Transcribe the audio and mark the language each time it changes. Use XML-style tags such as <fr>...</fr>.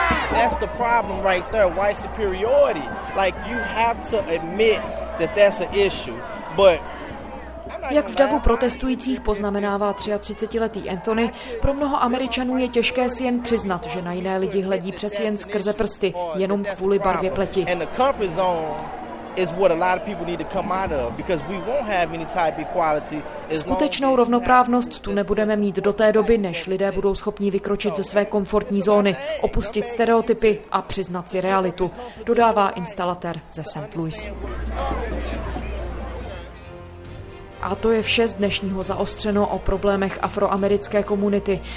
<en>That's the problem right there, white superiority. Like, you have to admit that that's an issue, but...</en> <cs>Jak v davu protestujících poznamenává 33-letý Anthony, pro mnoho Američanů je těžké si jen přiznat, že na jiné lidi hledí přeci jen skrze prsty, jenom kvůli barvě pleti.</cs> <en>And the comfort zone is what a lot of people need to come out of, because we won't have any type of equality.</en> <cs>Skutečnou rovnoprávnost tu nebudeme mít do té doby, než lidé budou schopni vykročit ze své komfortní zóny, opustit stereotypy a přiznat si realitu, dodává instalatér ze St. Louis. A to je vše z dnešního Zaostřeno o problémech afroamerické komunity.</cs>